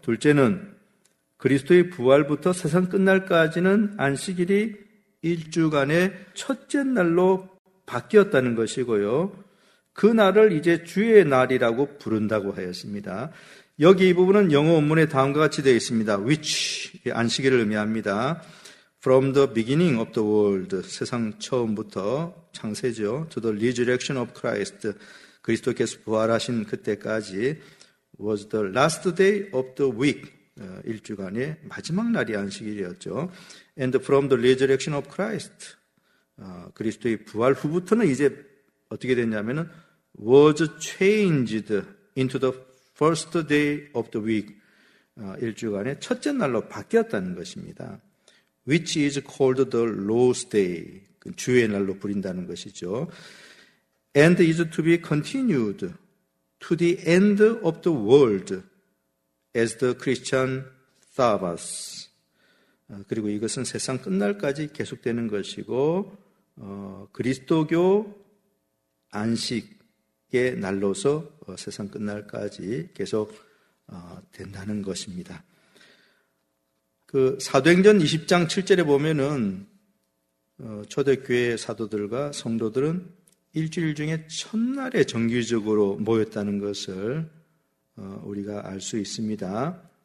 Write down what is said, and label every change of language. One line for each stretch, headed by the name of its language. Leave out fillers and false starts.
Korean: 둘째는 그리스도의 부활부터 세상 끝날까지는 안식일이 일주간의 첫째 날로 바뀌었다는 것이고요. 그 날을 이제 주의 날이라고 부른다고 하였습니다. 여기 이 부분은 영어 원문에 다음과 같이 되어 있습니다.
English: Which,
Korean: 안식일을 의미합니다.
English: From the beginning of the world,
Korean: 세상 처음부터 창세죠.
English: To the resurrection of Christ,
Korean: 그리스도께서 부활하신 그때까지
English: was the last day of the week.
Korean: 일주간의 마지막 날이 안식일이었죠.
English: And from the resurrection of Christ,
Korean: 그리스도의 부활 후부터는 이제 어떻게 됐냐면은
English: was changed into the first day of the week.
Korean: 일주간의 첫째 날로 바뀌었다는 것입니다.
English: Which is called the Lord's Day.
Korean: 주의 날로 부린다는 것이죠.
English: And is to be continued to the end of the world as the Christian Sabbath.
Korean: 그리고 이것은 세상 끝날까지 계속되는 것이고 그리스도교 안식의 날로서 세상 끝날까지 계속 된다는 것입니다. 그 사도행전 20장 7절에 보면은 초대교회 사도들과 성도들은 일주일 중에 첫날에 정기적으로 모였다는 것을 우리가 알 수 있습니다.